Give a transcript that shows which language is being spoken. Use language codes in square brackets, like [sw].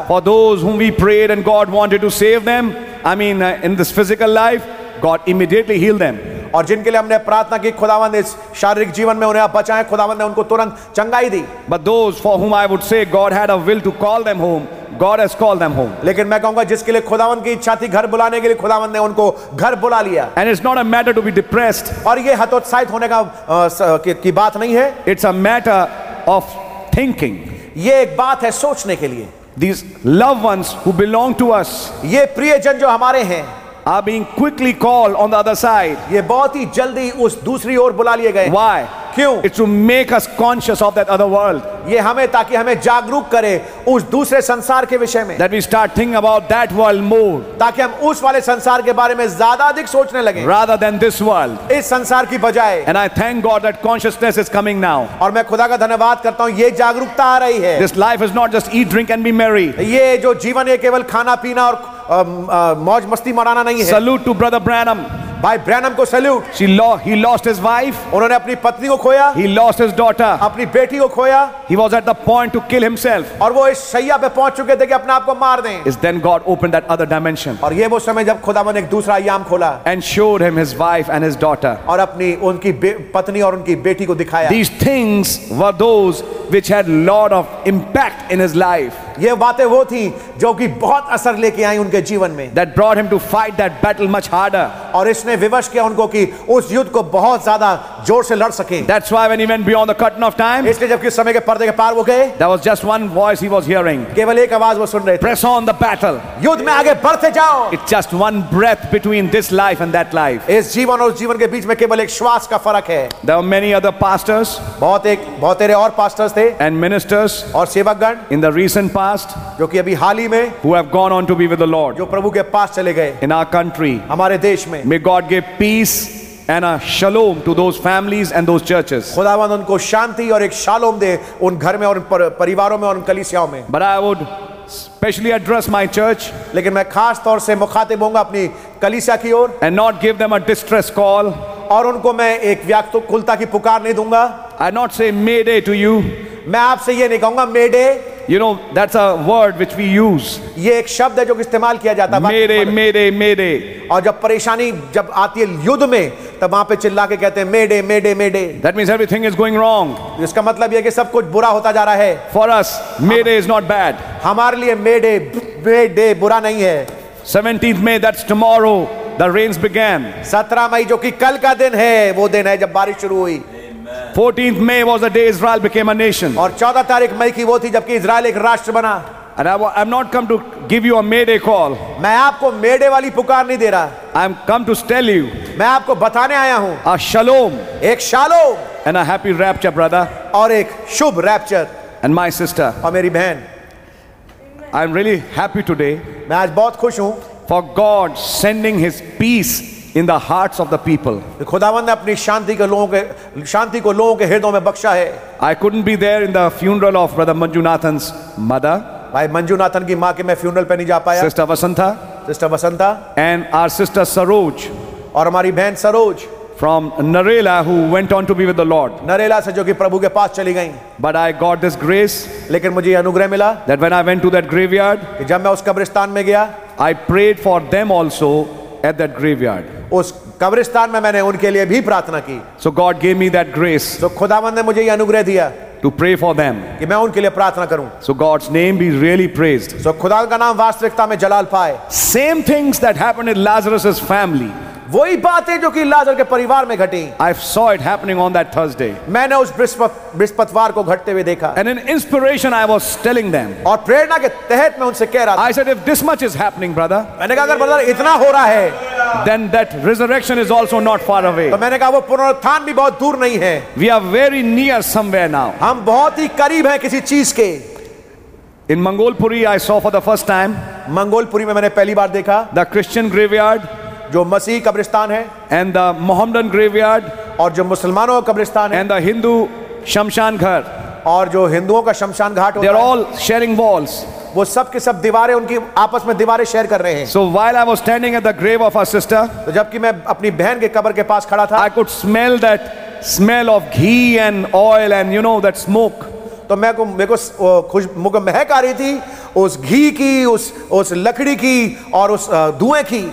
[en] For those whom we prayed and God wanted to save them, I mean, in this physical life, God immediately healed them. [hi] और जिनके लिए हमने प्रार्थना की खुदावन इस शारीरिक जीवन में उन्हें आप बचाएं, खुदावन ने उनको तुरंत चंगाई दी. [en] But those for whom I would say God had a will to call them home, God has called them home. [hi] लेकिन मैं कहूंगा जिसके लिए खुदावन की इच्छा थी घर बुलाने के लिए, खुदावन ने उनको घर बुला लिया. [en] And it's not a matter to be depressed. [hi] और ये हतोत्साहित होने का की बात नहीं है. [en] It's a matter of thinking. [hi] ये एक बात है सोचने के लिए. [en] These loved ones who belong to us, [hi] ये प्रियजन जो हमारे हैं, [en] are being quickly called on the other side. [hi] ये बहुत ही जल्दी उस दूसरी ओर बुला लिए गए. [en] Why? [hi] क्यों? [en] It's to make us conscious of that other world. [hi] ये हमें ताकि हमें जागरूक करे उस दूसरे संसार के विषय में. [en] That we start thinking about that world more. [hi] ताकि हम उस वाले संसार के बारे में ज़्यादा अधिक सोचने लगे. [en] Rather than this world. [hi] इस संसार की बजाय. [en] And I thank God that consciousness is coming now. [hi] और मैं खुदा का धन्यवाद करता हूँ ये जागरूकता आ रही है. [en] This life is not just eat, drink, and be merry. [hi] ये जो जीवन है केवल खाना पीना और मौज मस्ती मनाना नहीं है. [en] Salute to brother Branham. [hi] भाई ब्रैनम को salute. [en] He lost his wife. [hi] उन्होंने अपनी पत्नी को खोया. [en] He lost his daughter. [hi] अपनी बेटी को खोया. [en] He was at the point to kill himself. [hi] और वो इस शैया पे पहुंच चुके थे कि अपने आप को मार दें. [en] Is then God opened that other dimension. [hi] और ये वो समय जब खुदावन एक दूसरा आयाम खोला. [en] And showed him his wife and his daughter. [hi] और अपनी उनकी पत्नी और उनकी बेटी को दिखाया. [en] These things were those which had lot of impact in his life. [hi] ये बातें वो थी जो कि बहुत असर लेके आई उनके जीवन में. [en] That brought him to fight that battle much harder. [hi] और इसने विवश किया उनको कि उस युद्ध को बहुत ज्यादा जोर से लड़ सके. [en] That's why when he went beyond the curtain of time. [hi] इसलिए जब कि समय के पर्दे के पार वो गए. [en] There was just one voice he was hearing. [hi] केवल एक आवाज वो सुन रहे थे. [en] Press on the battle. [hi] युद्ध में आगे बढ़ते जाओ. [en] It's just one breath between this life and that life. [hi] इस जीवन और उस जीवन के बीच में केवल एक श्वास का फर्क है. [en] There were many other pastors. [hi] बहुत तेरे और पास्टर्स थे. [en] And ministers. [hi] और सेवकगण. [en] In the recent past. [hi] जो कि अभी हाल ही में, [en] who have gone on to be with the Lord, [hi] जो प्रभु के पास चले गए, [en] in our country, [hi] हमारे देश में, [en] may God give peace and a shalom to those families and those churches. [hi] खुदावन उनको शांति और एक शालोम दे उन घर में और उन परिवारों में और उन कलीसियाओं में. [en] But I would specially address my church, [hi] लेकिन मैं खास तौर से मुखातिब होऊंगा अपनी कलीसिया की ओर, [en] and not give them a distress call, [hi] और उनको मैं एक व्याकुलता की पुकार नहीं दूंगा. [en] I not say mayday to you. [hi] मैं आपसे ये नहीं कहूंगा मेडे. [en] You know, that's a word which we use. [hi] ये एक शब्द है जो इस्तेमाल किया जाता है. मेरे मेरे मेरे. और जब परेशानी जब आती है युद्ध में, तब वहाँ पे चिल्ला के कहते हैं मेडे मेडे मेडे. [en] That means everything is going wrong. [hi] इसका मतलब ये कि सब कुछ बुरा होता जा रहा है. [en] For us, mayday is not bad. [hi] हमारे लिए मेडे मेडे बुरा नहीं है. [en] 17th May, that's tomorrow. The rains began. [hi] 17 मई जो कि कल का दिन है, वो दिन है जब बारिश शुरू हुई. [en] 14th May was the day Israel became a nation. [hi] और 14 तारीख मई की वो थी जबकि इज़राइल एक राष्ट्र बना. [en] And I'm not come to give you a mayday call. [hi] मैं आपको मेडे वाली पुकार नहीं दे रहा. [en] I'm come to tell you. [hi] मैं आपको बताने आया हूँ. [en] A shalom. [hi] एक shalom. [en] And a happy rapture, brother. [hi] और एक शुभ रैप्चर. [en] And my sister. [hi] और मेरी बहन. [en] I'm really happy today. [hi] मैं आज बहुत खुश हूँ. [en] For God sending His peace in the hearts of the people. [hi] खुदावन ने अपनी शांति को लोगों के हृदयों में बख्शा है. [en] I couldn't be there in the funeral of brother Manjunathan's mother. [hi] भाई मंजुनाथन की माँ के मैं funeral पे नहीं जा पाया. [en] Sister Vasantha. And our sister Saroj. [hi] और हमारी बहन Saroj. [en] From Narela, who went on to be with the Lord. [hi] Narela से जो कि प्रभु के पास चली गई. [en] But I got this grace. [hi] लेकिन मुझे अनुग्रह मिला. [en] That when I went to that graveyard. [hi] जब मैं उस कब्रिस्तान में गया. [en] I prayed for them also. At that graveyard. [hi] उस कब्रिस्तान में मैंने उनके लिए भी प्रार्थना की. [en] So God gave me that grace. [hi] तो खुदावंद ने मुझे यह अनुग्रह दिया. [en] To pray for them. [hi] कि मैं उनके लिए प्रार्थना करूं. [en] So God's name be really praised. [hi] तो खुदा का नाम वास्तविकता में जलाल पाए. [en] Same things that happened in Lazarus's family. [hi] वही बातें जो कि लाजर के परिवार में घटी. [en] I saw it happening on that Thursday. [hi] मैंने उस बृहस्पतिवार को घटते हुए देखा. [en] And in inspiration I was telling them. [hi] और प्रेरणा के तहत मैं उनसे कह रहा था. [en] I said if this much is happening brother. [hi] मैंने कहा अगर ब्रदर इतना हो रहा है. [en] Then that resurrection is also not far away. [hi] तो मैंने कहा वो पुनरुत्थान भी बहुत दूर नहीं है. [en] We are very near somewhere now. [hi] हम बहुत ही करीब हैं किसी चीज के. [en] In Mangalpuri I saw for the first time. [hi] Mangolpuri में मैंने पहली बार देखा. [en] The Christian graveyard. [hi] जो मसीह कब्रिस्तान है. [en] And the Mohammedan graveyard. [hi] और जो मुसलमानों का कब्रिस्तान है. [en] And the Hindu शमशान घर. [hi] और जो हिंदुओं का शमशान घाट होता [en] They are all sharing walls. [hi] वो सब के सब दीवारें उनकी आपस में दीवारें शेयर कर रहे हैं. [en] So while I was standing at the grave of our sister, [hi] तो जबकि मैं अपनी बहन के कब्र के पास खड़ा था, [en] I could smell that smell of ghee and oil and you know that smoke. [hi] तो मेरे को खुशबू महक आ रही थी उस घी की, उस लकड़ी की और उस धुएं की.